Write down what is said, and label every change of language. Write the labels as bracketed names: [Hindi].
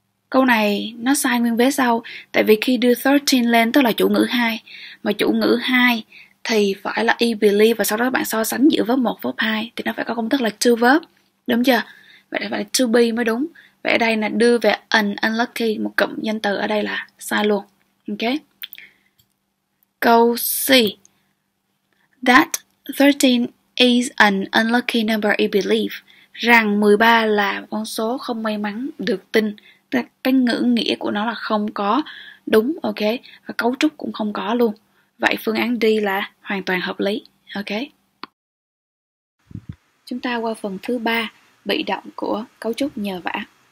[Vietnamese] Câu này nó sai nguyên vế sau, tại vì khi đưa 13 lên tức là chủ ngữ 2, mà chủ ngữ 2 thì phải là e believe, và sau đó bạn so sánh giữa verb 1 verb 2 thì nó phải có công thức là to verb, đúng chưa? Vậy phải là to be mới đúng. Vậy ở đây là đưa về an unlucky, một cụm danh từ ở đây là sai luôn. Ok. Câu C, [English] that 13 is an unlucky number e believe. [Vietnamese] rằng 13 là con số không may mắn được tin. Cái ngữ nghĩa của nó là không có đúng, ok? Và cấu trúc cũng không có luôn. Vậy phương án D là hoàn toàn hợp lý, ok? Chúng ta qua phần thứ 3, bị động của cấu trúc nhờ vả.